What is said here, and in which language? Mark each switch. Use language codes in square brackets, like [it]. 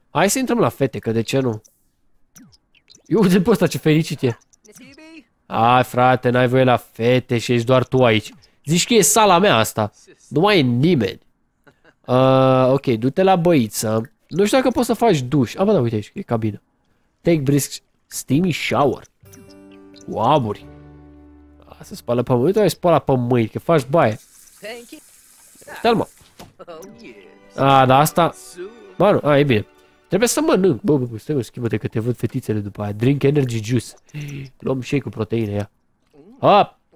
[ro] Hai să intrăm la fete, că de ce nu? Eu uite pe ăsta ce fericit e. Ai, frate, n-ai voie la fete și ești doar tu aici. Zici că e sala mea asta. Nu mai e nimeni. Ok, du-te la băiță. Nu știu dacă poți să faci duș. Ah, bă, da, uite aici, e cabină. [en] Take brisk steamy shower. [ro] Waburi. A, se spală pe mâini. Uite, ai spală pe mâini, că faci baie. Stai, mă. A, da, asta... Bă, nu, a, e bine. Trebuie să mănânc. Bă, stai, mă, schimbă-te că te văd fetițele după aia. [en] Drink energy juice. [ro] Luăm shake cu proteine, ia. Hop!